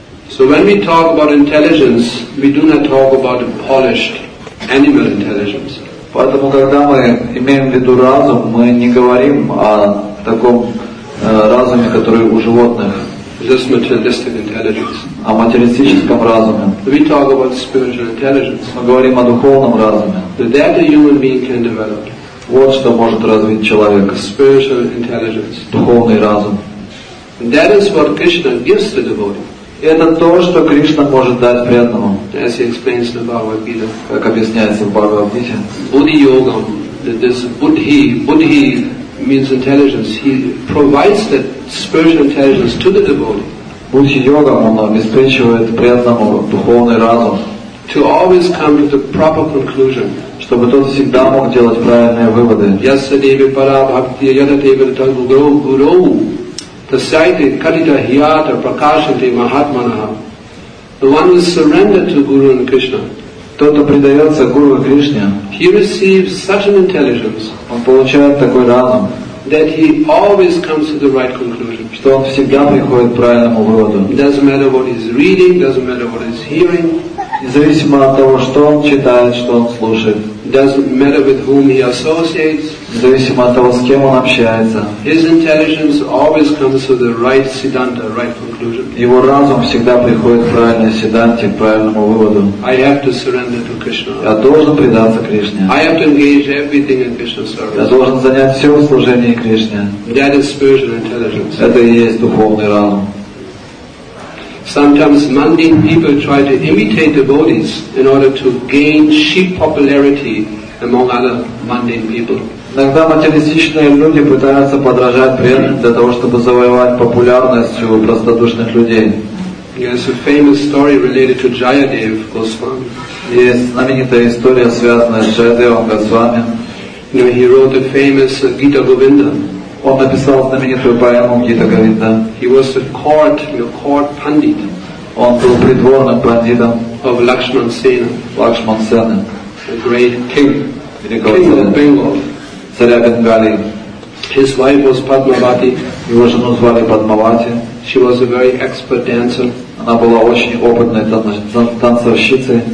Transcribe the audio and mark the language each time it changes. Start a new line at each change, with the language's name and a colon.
English: So when we talk about intelligence, we do not talk about a polished animal intelligence.
Russian: Поэтому, когда мы имеем в виду разум, мы не говорим о таком разуме, который у животных.
English: Just materialistic intelligence.
Russian: О материалистическом разуме.
English: We talk about spiritual intelligence.
Russian: Мы говорим о духовном разуме.
English: That a human being can develop.
Russian: Вот что может развить человек.
English: Spiritual intelligence.
Russian: Духовный разум.
English: And that is what Krishna gives the devotee.
Russian: Это то, что Кришна может дать преданному.
English: As he explains in Bhagavad-gita.
Russian: Как объясняется в Бхагавад-гите.
English: Buddhi-yoga. This buddhi. Buddhi means intelligence. He provides that spiritual intelligence to the devotee.
Russian: Buddhi-yoga, он обеспечивает преданному духовный разум.
English: To always come to the proper conclusion.
Russian: Чтобы тот всегда мог делать правильные выводы.
Sanskrit: Yasadevi parabhakti yadadevi tangu guru. The site Kalita Hyata Prakashati Mahatmanaha.
English: The one who is surrendered to Guru and Krishna.
Russian: Тот, кто предается Гуру и Кришне,
English: he receives such an intelligence,
Russian: он получает такой разум,
English: that he always comes to the right conclusion.
Russian: Что он всегда приходит к правильному выводу.
English: Doesn't matter what he's reading, doesn't matter what he's hearing.
Russian: Независимо от того, что он читает, что он слушает.
English: Doesn't matter with whom he associates.
Russian: Независимо от того, с кем он общается.
English: His intelligence always comes to the right siddhanta, right conclusion.
Russian: Его разум всегда приходит к правильной сиддханте, к правильному выводу.
English: I have to surrender to Krishna.
Russian: Я должен предаться Кришне.
English: I have to engage everything in Krishna's service.
Russian: Я должен занять все в служении Кришне.
English: That is spiritual intelligence.
Russian: Это и есть духовный разум.
English: Sometimes mundane people try to imitate devotees in order to gain cheap popularity among other mundane people.
Russian: Иногда материалистичные люди пытаются подражать преданным для того, чтобы завоевать популярность у простодушных людей.
English: There's a famous story related to Jayadev Goswami.
Russian: Есть знаменитая история, связанная с Джаядевом Госвами.
English: You know, he wrote the famous Gita Govinda.
Russian: Он написал знаменитую поэму Гита Говинда.
English: He was a court, you know, court pundit.
Russian: Он был придворным пандитом.
English: Of Lakshman Sena.
Russian: Лакшман Сена.
English: A great king. King of Bengal.
Russian: Царя Бенгалии.
English: His wife was Padmavati.
Russian: Его жену звали Падмавати.
English: She was a very expert dancer.
Russian: Она была очень опытной танцовщицей.